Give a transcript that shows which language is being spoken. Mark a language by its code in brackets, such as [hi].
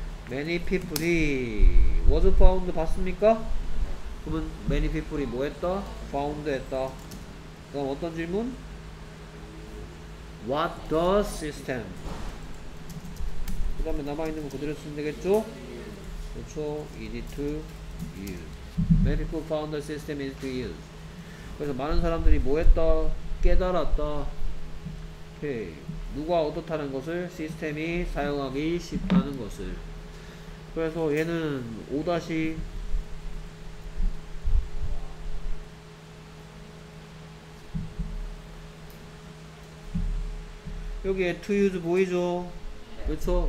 [en] many people이 was found [ko] 봤습니까? 그러면 [en] many people [ko] 이 뭐 했다? [en] found [ko] 했다. 그럼 어떤 질문? [en] what the system? [ko] 그 다음에 남아있는 거 그대로 쓰면 되겠죠? 그렇죠. [en] easy to use. many people found the system easy to use. [ko] 그래서 많은 사람들이 뭐 했다? 깨달았다. 오케이. 누가 어떻다는 것을? 시스템이 사용하기 쉽다는 것을. 그래서 얘는 5- 여기에 [en] to use [ko] 보이죠? 그쵸?